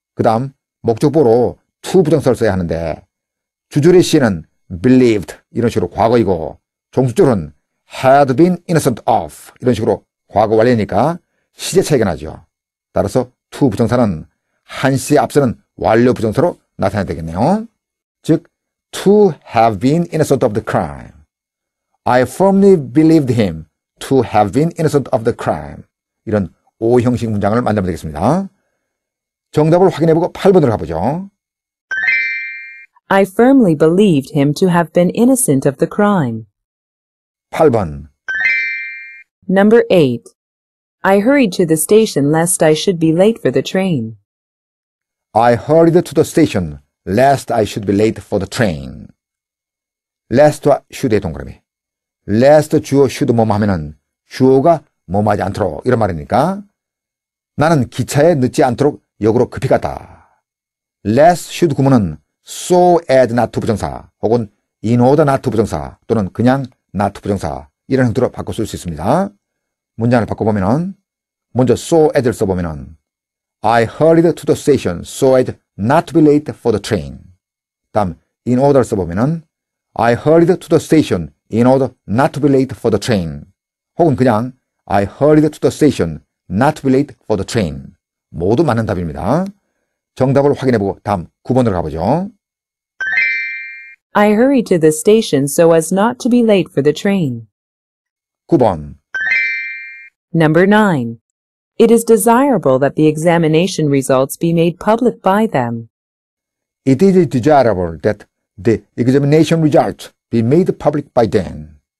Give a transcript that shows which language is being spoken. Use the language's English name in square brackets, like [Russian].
[Korean] 그 다음 목적보로 to 부정사를 써야 하는데 주절의 시에는 believed 이런 식으로 과거이고 종속절은 [English] had been innocent of [Korean] 이런 식으로 과거 완료니까 시제 차이가 나죠. 따라서 to 부정사는 한시 앞서는 완료 부정사로 나타나야 되겠네요. [English] 즉, to have been innocent of the crime. I firmly believed him to have been innocent of the crime. [Korean] 이런 5형식 문장을 만들면 되겠습니다. 정답을 확인해보고 8번으로 가보죠. [English] I firmly believed him to have been innocent of the crime. [Korean] 8번. [English] Number 8. I hurried to the station lest I should be late for the train. I hurried to the station lest I should be late for the train. [Korean] lest와 should의 동그라미. lest 주어 should 뭐뭐 하면은 주어가 뭐뭐 하지 않도록 이런 말이니까 나는 기차에 늦지 않도록 역으로 급히 갔다. lest should 구문은 [English] so as not to [Korean] 부정사 혹은 [English] in order not to [Korean] 부정사 또는 그냥 not to 부정사 이런 형태로 바꿔 쓸 수 있습니다. 문장을 바꿔보면은 먼저 [English] so as를 [Korean] 써보면은 [English] I hurried to the station so as not to be late for the train. [Korean] 다음, [English] in order [Korean] 써보면은 [English] I hurried to the station in order not to be late for the train. [Korean] 혹은 그냥 [English] I hurried to the station not to be late for the train. [Korean] 모두 맞는 답입니다. 정답을 확인해보고 다음 9번으로 가보죠. [English] I hurried to the station so as not to be late for the train. [Korean] 9번. [English] Number 9. It is desirable that the examination results be made public by them. It is desirable that the examination results be made public by them.